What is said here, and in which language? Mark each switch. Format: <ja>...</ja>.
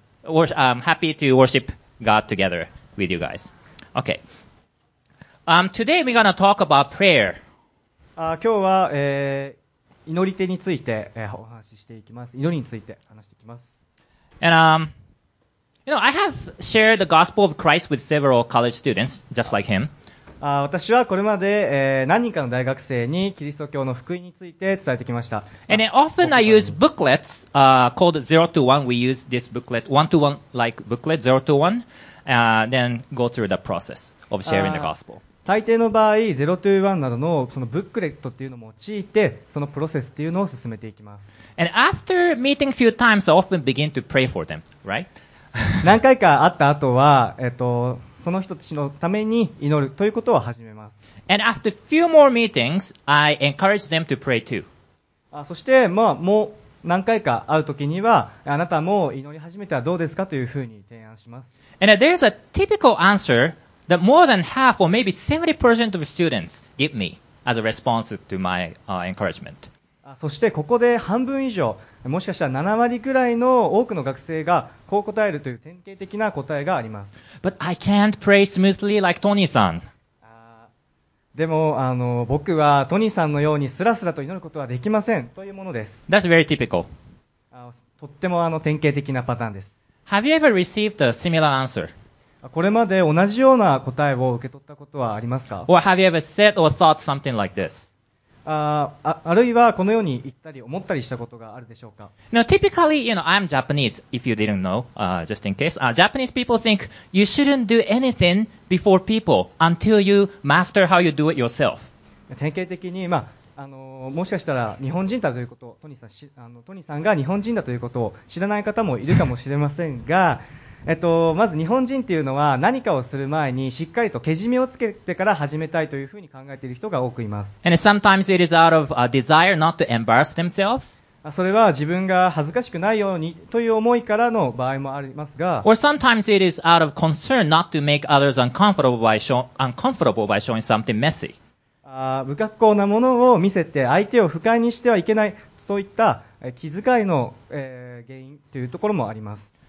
<en>I'm happy to worship God together with you guys. Okay. Today we're gonna talk about prayer.</en> <ja>今日は、祈り手について、お話ししていきます。祈りについて話していきます。</ja> <en>And, you know, I have shared the gospel of Christ with several college students, just like him.</en> <ja>私はこれまで、何人かの大学生にキリスト教の福音について伝えてきました。</ja> <en>And often I use booklets, called 0-1. We use this booklet, 1-1 like booklet, 0-1, then go through the process of sharing the gospel.</en> <ja>大抵の場合、ゼロトゥーワンなどのそのブックレットっていうのを用いて、そのプロセスっていうのを進めていきます。</ja> <en>And after meeting few times, I often begin to pray for them, right?</en> <ja>何回か会った後は、その人たちのために祈るということを始めます。</ja> <en>And after few more meetings, I encourage them to pray too.</en> <ja>そして、まあ、もう何回か会うときには、あなたも祈り始めてはどうですかというふうに提案します。</ja> <en>And there's a typical answer. That more than half or maybe 70% of students give me as a response to my encouragement.</en> <ja>そしてここで半分以上、もしかしたら7割くらいの多くの学生がこう答えるという典型的な答えがあります。</ja> <en>But I can't pray smoothly like Tony-san.</en> <ja>でも僕はトニーさんのようにスラスラと祈ることはできませんというものです。</ja> <en>That's very typical.</en> <ja>とっても典型的なパターンです。</ja> <en>Have you ever received a similar answer?</en> <ja>これまで同じような答えを受け取ったことはありますか?</ja> <en>Or have you ever said or thought something like this?</en> <ja>あるいはこのように言ったり思ったりしたことがあるでしょうか?</ja> <en>Now, typically, you know, I'm Japanese, if you didn't know, just in case. Japanese people think you shouldn't do anything before people until you master how you do it yourself.</en> <ja>典型的に、まあ、もしかしたら日本人だということ、トニーさん、トニーさんが日本人だということを知らない方もいるかもしれませんが、まず日本人っていうのは何かをする前にしっかりとけじめをつけてから始めたいというふうに考えている人が多くいます。</ja> <en>And sometimes it is out of a desire not to embarrass themselves.</en> <ja>それは自分が恥ずかしくないようにという思いからの場合もありますが。</ja> <en>Or sometimes it is out of concern not to make others uncomfortable by showing something messy.</en> <ja>不格好なものを見せて相手を不快にしてはいけない、そういった気遣いの、原因というところもあります。</ja>